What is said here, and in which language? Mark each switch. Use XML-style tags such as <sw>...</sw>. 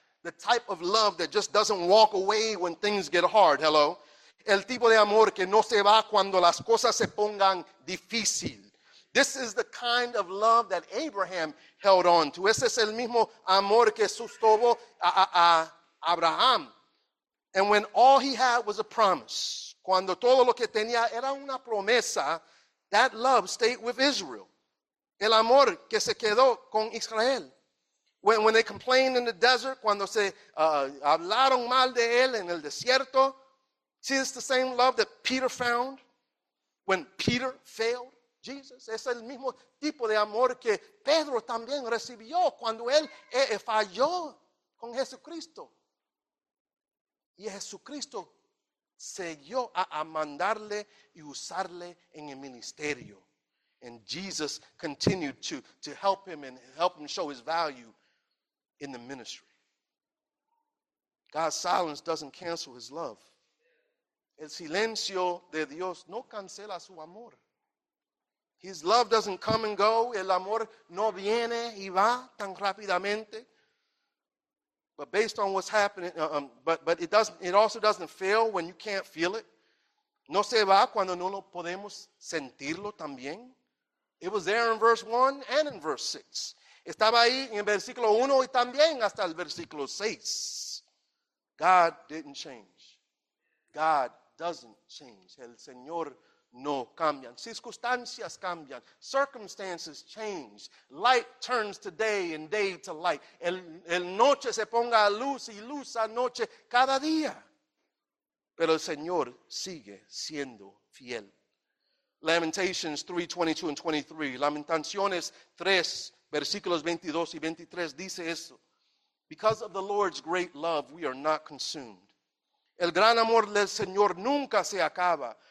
<en>The type of love that just doesn't walk away when things get hard. Hello?</en> <es>El tipo de amor que no se va cuando las cosas se pongan difícil.</es> <en>This is the kind of love that Abraham held on to.</en> <es>Ese es el mismo amor que sostuvo a Abraham.</es> <en>And when all he had was a promise,</en> <es>cuando todo lo que tenía era una promesa,</es> <en>that love stayed with Israel.</en> <es>El amor que se quedó con Israel.</es> <en>When they complained in the desert,</en> <es>cuando se hablaron mal de él en el desierto,</es> <en>see, it's the same love that Peter found when Peter failed.</en> <es>Jesus es el mismo tipo de amor que Pedro también recibió cuando él falló con Jesucristo. Y Jesucristo siguió a mandarle y usarle en el ministerio.</es> <en>And Jesus continued to help him and help him show his value in the ministry. God's silence doesn't cancel his love.</en> <es>El silencio de Dios no cancela su amor.</es> <en>His love doesn't come and go.</en> <es>El amor no viene y va tan rápidamente.</es> <en>But based on what's happening, but it doesn't. It also doesn't fail when you can't feel it.</en> <es>No se va cuando no lo podemos sentirlo también.</es> <en>It was there in verse 1 and in verse 6.</en> <es>Estaba ahí en el versículo 1 y también hasta el versículo 6.</es> <en>God didn't change. God doesn't change.</en> <es>El Señor no cambian. Circunstancias cambian.</es> <en>Circumstances change. Light turns to day and day to light.</en> <es>El noche se ponga a luz y luz a noche cada día. Pero el Señor sigue siendo fiel.</es> <en>Lamentations 3, 22 and 23.</en> <es>Lamentaciones 3, versículos 22 y 23 dice esto.</es> <en>Because of the Lord's great love, we are not consumed.</en> <es>El gran amor del Señor nunca se acaba.</es>